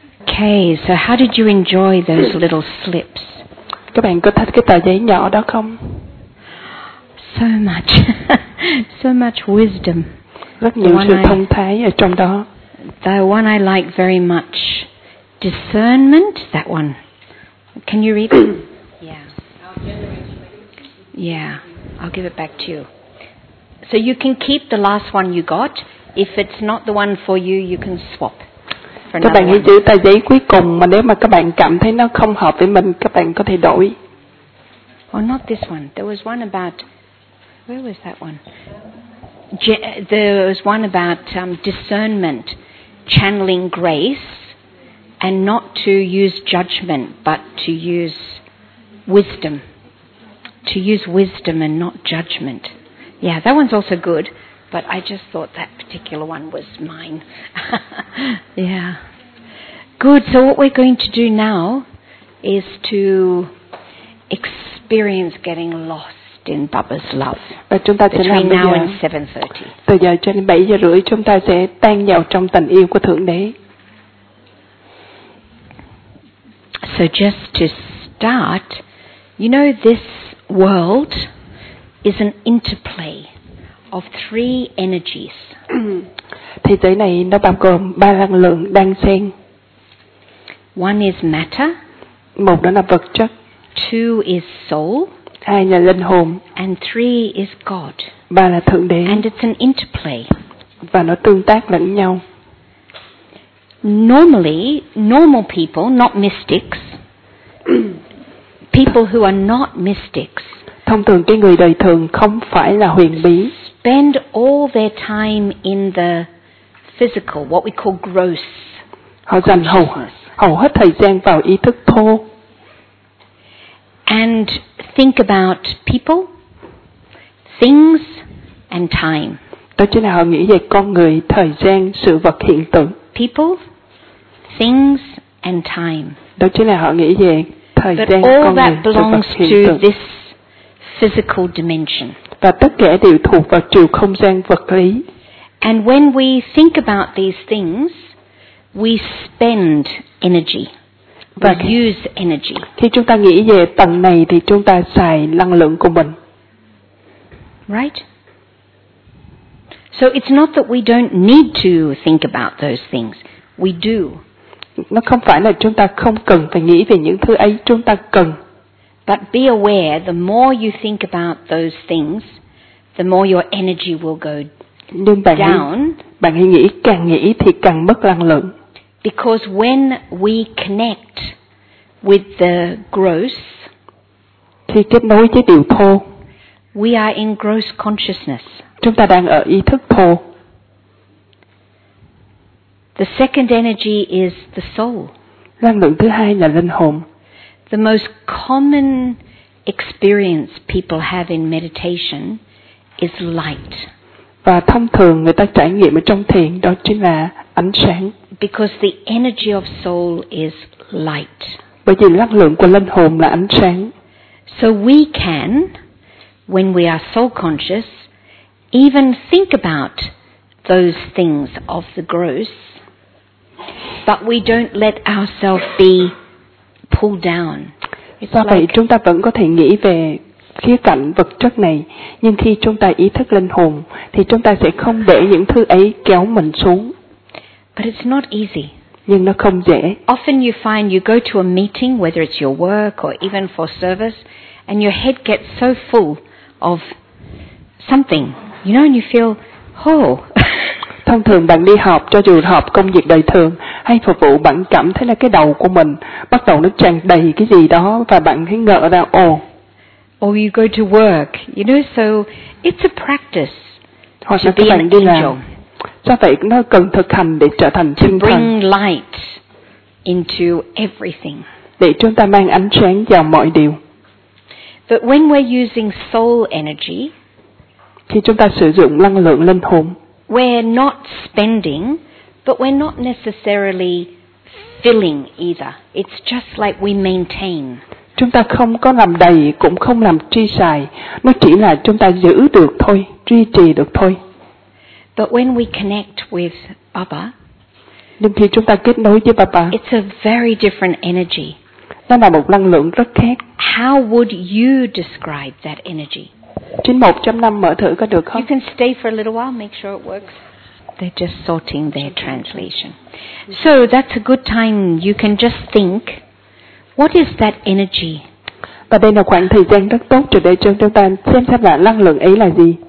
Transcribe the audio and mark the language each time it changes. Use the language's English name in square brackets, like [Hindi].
[English] Okay, so how did you enjoy those little slips? [Vietnamese] Các bạn có thích cái tờ giấy nhỏ đó không? [English] So much. So much wisdom. [Vietnamese] Rất nhiều sự thông thái ở trong đó. [English] The one I like very much. Discernment, that one. Can you read it? Yeah. Yeah, I'll give it back to you. So you can keep the last one you got. If it's not the one for you, you can swap. [Vietnamese] Các bạn hãy giữ tờ giấy cuối cùng mà nếu mà các bạn cảm thấy nó không hợp với mình, các bạn có thể đổi. [English] Oh, not this one. There was one about... Where was that one? There was one about discernment, channeling grace, and not to use judgment, but to use wisdom. To use wisdom and not judgment. Yeah, that one's also good, but I just thought that particular one was mine. Yeah. Good, so what we're going to do now is to experience getting lost in Baba's love. [Vietnamese] Và chúng ta sẽ [English] between now and 7:30. [Vietnamese] Từ giờ cho đến 7:30 chúng ta sẽ tan vào trong tình yêu của Thượng Đế. [English] So just to start, you know this world is an interplay of three energies. [Vietnamese] Thế giới này nó bao gồm ba năng lượng đang xen. [English] One is matter. [Vietnamese] Một đó là vật chất. [English] Two is soul. [Vietnamese] Hai là linh hồn. [English] And three is God. [Vietnamese] Ba là Thượng Đế. [English] And it's an interplay. [Vietnamese] Và nó tương tác lẫn nhau. [English] Normally, normal people, not mystics, people who are not mystics, [Vietnamese] thông thường cái người đời thường không phải là huyền bí, [English] spend all their time in the physical, what we call gross. [Vietnamese] Họ dành hầu hết thời gian vào ý thức thô. [English] And think about people, things and time. [Vietnamese] Đó chính là họ nghĩ về con người, thời gian, sự vật, hiện tượng. [English] People, things and time. [Vietnamese] Đó chính là họ nghĩ về thời [English] but [Vietnamese] gian, [English] all [Vietnamese] con [English] that [Vietnamese] người, [English] belongs [Vietnamese] sự vật, hiện [English] to [Vietnamese] tượng. [English] This physical dimension. [Vietnamese] Và tất cả đều thuộc vào chiều không gian vật lý. [English] And when we think about these things, we spend energy. We use energy. [Vietnamese] Khi chúng ta nghĩ về tầng này thì chúng ta xài năng lượng của mình. [English] Right? So it's not that we don't need to think about those things. We do. [Vietnamese] Nó không phải là chúng ta không cần phải nghĩ về những thứ ấy, chúng ta cần. [English] But be aware, the more you think about those things, the more your energy will go down. [Vietnamese] Bạn hãy nghĩ, càng nghĩ thì càng mất năng lượng. [English] Because when we connect with the gross, [Vietnamese] khi kết nối với điều thô, [English] we are in gross consciousness. [Vietnamese] Chúng ta đang ở ý thức thô. [English] The second energy is the soul. [Vietnamese] Năng lượng thứ hai là linh hồn. [English] The most common experience people have in meditation is light. [Vietnamese] Và thông thường người ta trải nghiệm ở trong thiền đó chính là ánh sáng. [English] Because the energy of soul is light. [Vietnamese] Bởi vì năng lượng của linh hồn là ánh sáng. [English] So we can, when we are soul conscious, even think about those things of the gross, but we don't let ourselves be pulled down. [Vietnamese] Do vậy like, chúng ta vẫn có thể nghĩ về khía cạnh vật chất này, nhưng khi chúng ta ý thức linh hồn thì chúng ta sẽ không để những thứ ấy kéo mình xuống. [English] But it's not easy. [Vietnamese] Nhưng nó không dễ. [English] Often you find you go to a meeting, whether it's your work or even for service, and your head gets so full of something, you know, and you feel, oh. [Vietnamese] Thông thường bạn đi họp, cho dù họp công việc đời thường hay phục vụ, bạn cảm thấy là cái đầu của mình bắt đầu nó tràn đầy cái gì đó và bạn thấy ngỡ ra, ồ. [English] Or you go to work, you know, so it's a practice. [Vietnamese] Hoặc là các bạn đi làm. Do vậy nó cần thực hành để trở thành thiên thần. [English] Bring light into everything. [Vietnamese] Để chúng ta mang ánh sáng vào mọi điều. [English] But when we're using soul energy, [Vietnamese] khi chúng ta sử dụng năng lượng linh hồn, [English] we're not spending, but we're not necessarily filling either. It's just like we maintain. [Vietnamese] Chúng ta không có làm đầy, cũng không làm chi xài. Nó chỉ là chúng ta giữ được thôi, duy trì được thôi. [English] But when we connect with Baba, [Vietnamese] Nhưng khi chúng ta kết nối với Papa, [English] it's a very different energy. [Vietnamese] Nó là một năng lượng rất khác. [English] How would you describe that energy? [Vietnamese] Trên 1.5 mở thử có được không? [English] You can stay for a little while, make sure it works. They're just sorting their translation. So that's a good time. You can just think, what is that energy? [Vietnamese] Và đây là khoảng thời gian rất tốt để cho chúng ta xem xét lại năng lượng ấy là gì.